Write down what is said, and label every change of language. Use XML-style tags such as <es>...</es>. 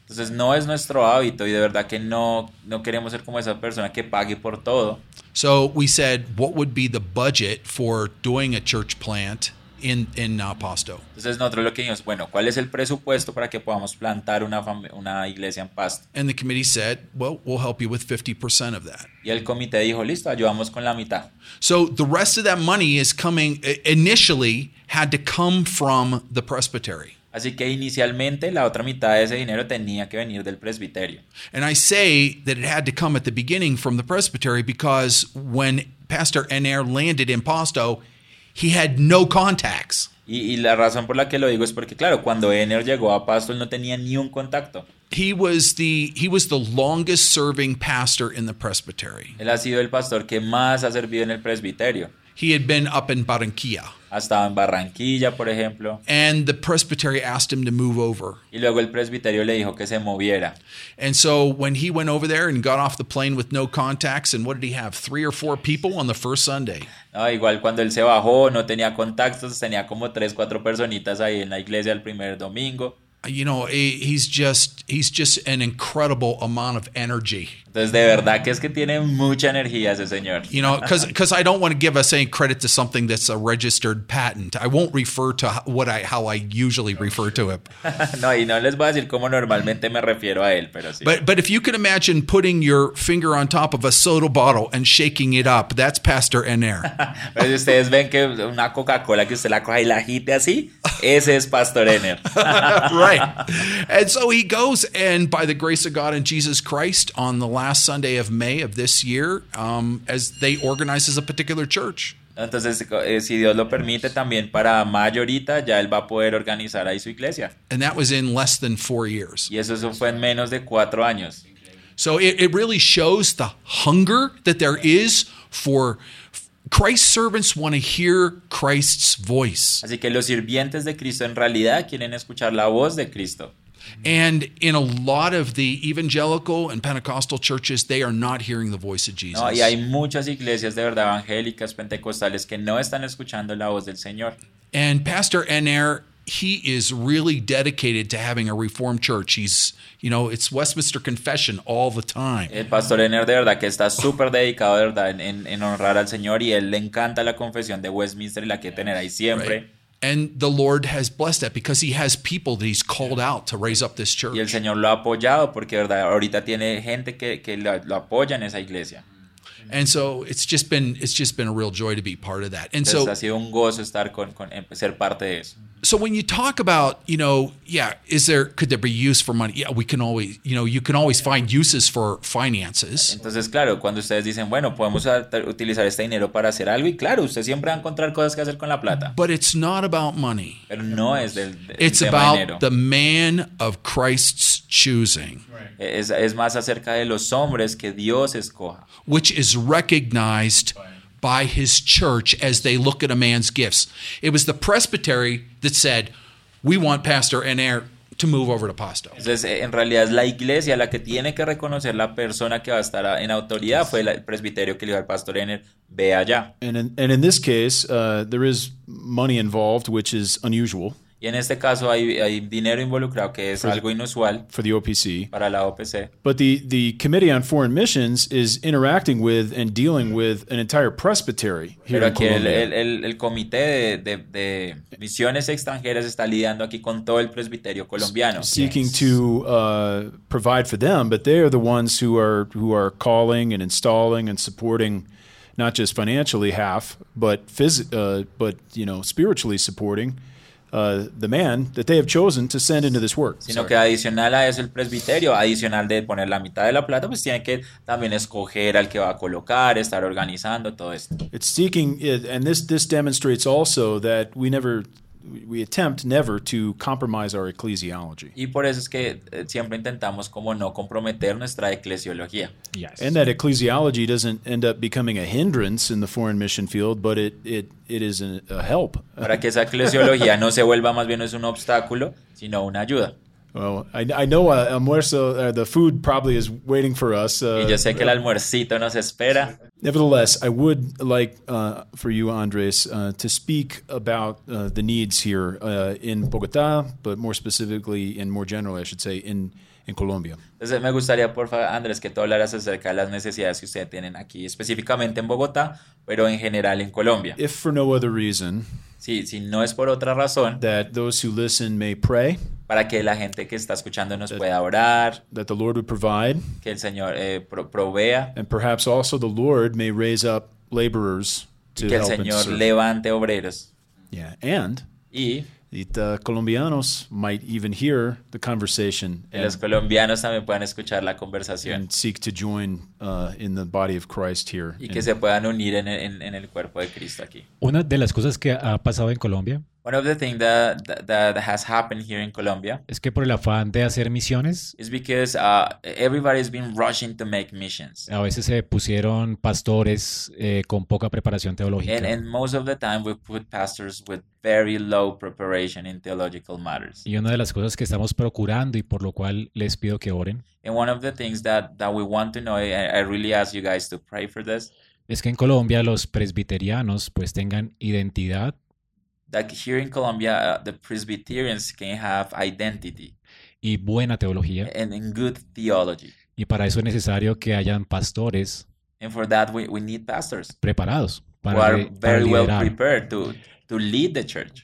<es>Entonces no es nuestro hábito y de verdad que no queremos ser como esa persona que pague por todo.</es> <en>So we said, what would be the budget for doing a church plant in Pasto?</en> <es>Entonces nosotros lo que dijimos, bueno, ¿cuál es el presupuesto para que podamos plantar una iglesia en Pasto?</es> <en>And the committee said, well, we'll help you with 50% of that.</en> <es>Y el comité dijo, listo, ayudamos con la mitad.</es> <en>So the rest of that money is coming, initially had to come from the presbytery.</en> <es>Así que inicialmente la otra mitad de ese dinero tenía que venir del presbiterio.</es> <en>And I say that it had to come at the beginning from the presbytery because when Pastor Enner landed in Pasto, he had no contacts.</en> <es>Y la razón por la que lo digo es porque, claro, cuando Enner llegó a Pasto, él no tenía ni un contacto.</es> <en>He was the longest serving pastor in the presbytery.</en> <es>Él ha sido el pastor que más ha servido en el presbiterio.</es> <en>He had been up in Barranquilla.</en> <es>Hasta en Barranquilla, por ejemplo.</es> <en>And the presbytery asked him to move over.</en> <es>Y luego el presbiterio le dijo que se moviera.</es> <en>And so when he went over there and got off the plane with no contacts, and what did he have? 3 or 4 people on the first Sunday.</en> <es>No, igual cuando él se bajó, no tenía contactos, tenía como 3-4 personitas ahí en la iglesia el primer domingo.</es> <en>You know, he's just an incredible amount of energy.</en> <es>Entonces, de verdad que es que tiene mucha energía ese señor.</es> <en>You know, because I don't want to give us any credit to something that's a registered patent. I won't refer to how I usually refer to it.</en> <es>No, y no les voy a decir cómo normalmente me refiero a él, pero sí.</es> <en>But if you can imagine putting your finger on top of a soda bottle and shaking it up, that's Pastor Enner.</en> <es>Pero si ustedes ven que una Coca-Cola que usted la coja y la agite así, ese es Pastor Enner.</es> <en>Right. And so he goes, and by the grace of God and Jesus Christ, on the last Sunday of May of this year, as they organize as a particular church.</en> <es>Entonces, si Dios lo permite, también para mayo ahorita ya él va a poder organizar ahí su iglesia.</es> <en>And that was in less than 4 years.</en> <es>Y eso fue en menos de 4 años.</es> <en>So it really shows the hunger that there is for Christ's servants want to hear Christ's voice.</en> <es>Así que los sirvientes de Cristo en realidad quieren escuchar la voz de Cristo.</es> <en>And in a lot of the evangelical and Pentecostal churches, they are not hearing the voice of Jesus.</en> <es>No, y hay muchas iglesias de verdad evangélicas, pentecostales, que no están escuchando la voz del Señor.</es> <en>And Pastor Enner, he is really dedicated to having a Reformed church. He's, you know, it's Westminster Confession all the time.</en> <es>El Pastor Enner de verdad que está súper dedicado de verdad en honrar al Señor, y él le encanta la confesión de Westminster y la que tener ahí siempre.</es> <en>Right. And the Lord has blessed that because he has people that he's called out to raise up this church.</en> <es>Y el Señor lo ha apoyado porque verdad ahorita tiene gente que lo apoya en esa iglesia.</es> <en>And so it's just been a real joy to be part of that. And</en> <es>entonces,</es> <en>so</en> <es>ha sido un gozo estar con ser parte de eso.</es> <en>So when you talk about, you know, yeah, is there, could there be use for money? Yeah, we can always, you know, you can always find uses for finances.</en> <es>Entonces claro, cuando ustedes dicen, bueno, podemos utilizar este dinero para hacer algo, y claro, usted siempre va a encontrar cosas que hacer con la plata.</es> <en>But it's not about money.</en> <es>Pero no es del tema dinero.</es> <en>It's about the man of Christ's choosing. Right.</en> <es>Es más acerca de los hombres que Dios escoja.</es> <en>Which is recognized by his church as they look at a man's gifts. It was the presbytery that said, we want Pastor Enner to move over to Pasto.</en> <es>Entonces, en realidad es la iglesia la que tiene que reconocer la persona que va a estar en autoridad. Fue el presbiterio que le dijo al Pastor Enner, ve allá.</es> <en>And in this case, there is money involved, which is unusual.</en> <es>Y en este caso hay dinero involucrado que es algo inusual</es> <en>for the OPC.</en> <es>Para la OPC.</es> <en>But the Committee on Foreign Missions is interacting with and dealing with an entire presbytery here in Colombia.</en> <es>El comité de misiones extranjeras está lidiando aquí con todo el presbiterio colombiano.</es> <en>Seeking to provide for them, but they are the ones who are calling and installing and supporting. Not just financially half, but spiritually supporting the man that they have chosen to send into this work.</en> <es>Sino que adicional a eso el presbiterio, adicional de poner la mitad de la plata, pues tiene que también escoger al que va a colocar, estar organizando todo esto.</es> <en>It's seeking, and this demonstrates also that we attempt never to compromise our ecclesiology.</en> <es>Y por eso es que siempre intentamos como no comprometer nuestra eclesiología.</es> <en>Yes. And that ecclesiology doesn't end up becoming a hindrance in the foreign mission field, but it is a help.</en> <es>Para que esa eclesiología no se vuelva más bien es un obstáculo, sino una ayuda.</es> <en>Well, I know almuerzo, the food probably is waiting for us.</en> <es>Y yo sé que el almuercito nos espera.</es> <en>Nevertheless, I would like for you, Andres, to speak about the needs here in Bogotá, but more specifically and more generally, I should say, in Colombia.</en> <es>Entonces, me gustaría, por favor, Andres, que tú hablaras acerca de las necesidades que ustedes tienen aquí, específicamente en Bogotá, pero en general en Colombia.</es> <en>If for no other reason,</en> <es>si no es por otra razón,</es> <en>that those who listen may pray,</en> <es>para que la gente que está escuchando nos pueda orar,</es> <en>that the Lord would provide,</en> <es>que el Señor provea,</es> <en>and perhaps also the Lord may raise up laborers to help.</en> <es>Que el Señor levante obreros.</es> <en>Yeah, and</en> <es>y</es> <en>the colombianos might even hear the conversation.</en> <es>Los colombianos también puedan escuchar la conversación.</es> <en>And seek to join in the body of Christ here.</en> <es>Y que se puedan unir en el cuerpo de Cristo aquí. Una de las cosas que ha pasado en Colombia.</es> <en>One of the things that has happened here in Colombia.</en> <es>Es que por el afán de hacer misiones.</es> <en>Is because everybody has been rushing to make missions.</en> <es>A veces se pusieron pastores con poca preparación teológica.</es> <en>And most of the time we put pastors with very low preparation in theological matters.</en> <es>Y una de las cosas que estamos procurando y por lo cual les pido que oren.</es> <en>And one of the things that we want to know, I really ask you guys to pray for this.</en> <es>Es que en Colombia los presbiterianos pues tengan identidad.</es> <en>That here in Colombia, the Presbyterians can have identity.</en> <es>Y buena teología.</es> <en>And in good theology.</en> <es>Y para eso es necesario que hayan pastores.</es> <en>And for that, we need pastors.</en> <es>Preparados.</es> <en>Who are very well prepared to lead the church.</en>